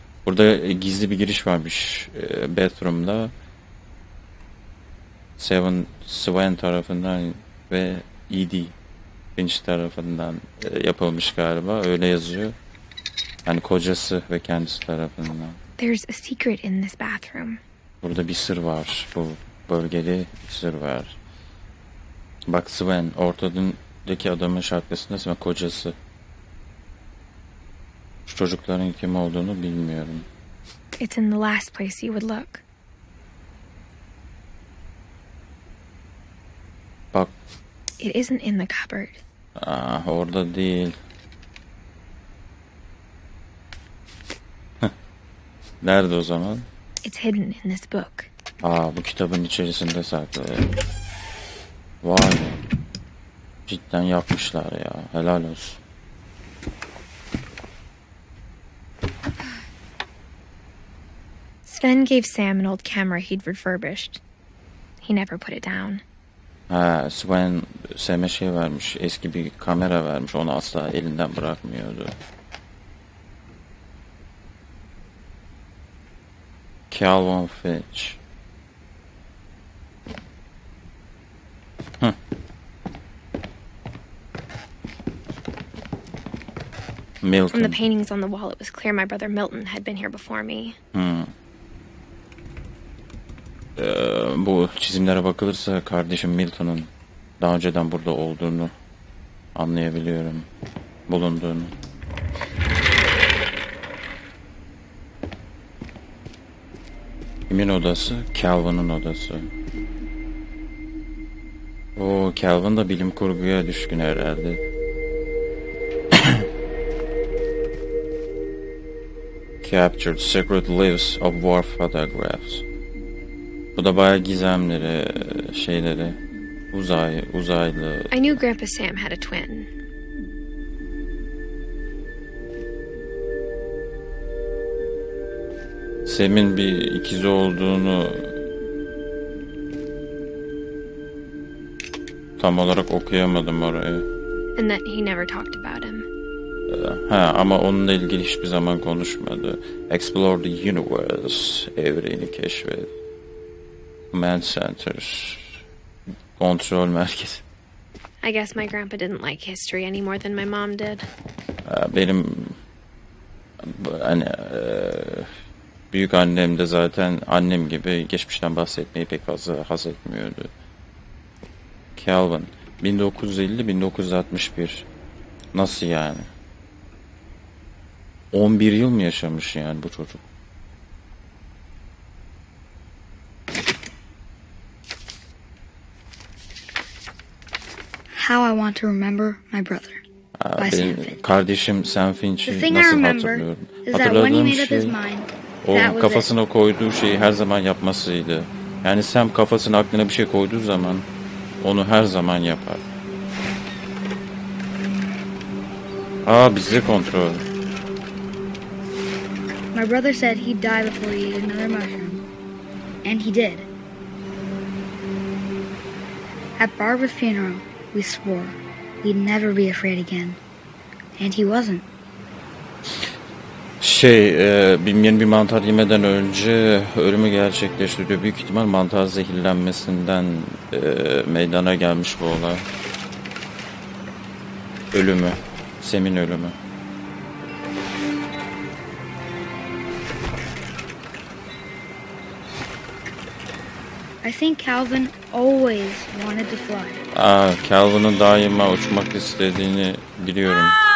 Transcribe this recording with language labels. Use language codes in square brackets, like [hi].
[tr] Burada gizli bir giriş varmış bathroom'da. Sven tarafından ve Edie Finch tarafından yapılmış galiba. Öyle yazıyor. Yani kocası ve kendisi tarafından. [en] There's a secret in this bathroom. [tr] Burada bir sır var. Bu bölgede bir sır var. Bak Sven, ortadaki adamın şarkısında Sven kocası. Şu çocukların kim olduğunu bilmiyorum. [en] It's in the last place you would look. [tr] Bak. [en] It isn't in the cupboard. [tr] Ah, orada değil. Nerede o zaman? [en] It's hidden in this book. [tr] Aa, bu kitabın içerisinde saklı. Vay be. Cidden yapmışlar ya. Helal olsun. [en] Sven gave Sam an old camera he'd refurbished. He never put it down. [tr] Ha, Sven Sam'e şey vermiş, eski bir kamera vermiş, onu asla elinden bırakmıyordu. [en] Calvin Fitch. Milton. From the paintings on the wall, it was clear my brother Milton had been here before me. [tr] Bu çizimlere bakılırsa kardeşim Milton'un daha önceden burada olduğunu anlayabiliyorum, bulunduğunu. Kimin odası? Calvin'ın odası. Oo, Calvin da bilim kurguya düşkün herhalde. [en] Captured secret leaves of war photographs. [tr] Bu da bayağı gizemleri, şeyleri, uzaylı. [en] I knew Grandpa Sam had a twin. [tr] Sam'in bir ikizi olduğunu tam olarak okuyamadım orayı. [en] And that he never talked about him. [tr] Ha, ama onunla ilgili hiçbir zaman konuşmadı. [en] Explore the universe, [tr] evreni keşfet. [en] Command centers, [tr] kontrol merkezi. [en] I guess my grandpa didn't like history any more than my mom did. [tr] Benim hani büyük annem de zaten annem gibi geçmişten bahsetmeyi pek fazla haz etmiyordu. Calvin, 1950-1961. Nasıl yani? 11 yıl mı yaşamış yani bu çocuk? [en] How I want to remember my brother. [tr] Ben kardeşim Sam Finch'i nasıl hatırlıyorum? Hatırladığım şey, o kafasına koyduğu şeyi her zaman yapmasıydı. Yani Sam kafasına, aklına bir şey koyduğu zaman onu her zaman yapar. Aa, bizde kontrol. [en] My brother said he'd die before he ate another mushroom. And he did. At Barbara's funeral, we swore we'd never be afraid again. And he wasn't. [tr] Şey, bilmeyen bir mantar yemeden önce ölümü gerçekleştiriyor. Büyük ihtimal mantar zehirlenmesinden meydana gelmiş bu olay. Ölümü. Sem'in ölümü. [en] I think Calvin always wanted to fly. [tr] Aa, Calvin'ın daima uçmak istediğini biliyorum.